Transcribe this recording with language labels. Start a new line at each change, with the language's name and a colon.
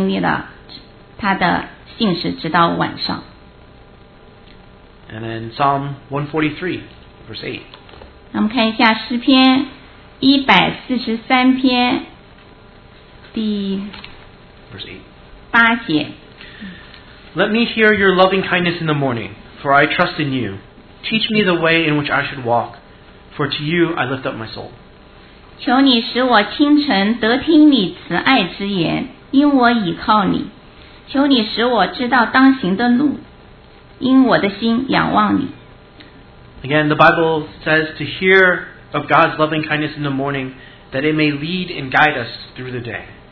Chinese: 所以我们早上要首先把感谢献给耶和华，然后我们一整天都可以经历到他的信实，直到晚上。
English: And then Psalm 143, verse 8.
Chinese: 我们看一下诗篇143篇第8节。
English: Let me hear your loving kindness in the morning, for I trust in you. Teach me the way in which I should walk, for to you I lift up my soul.
Chinese: 求你使我清晨得听你慈爱之言，因我倚靠你。求你使我知道当行的路，因我的心仰望你。
English: Again, the Bible says to hear of God's loving kindness in the morning that it may lead and guide us through the day.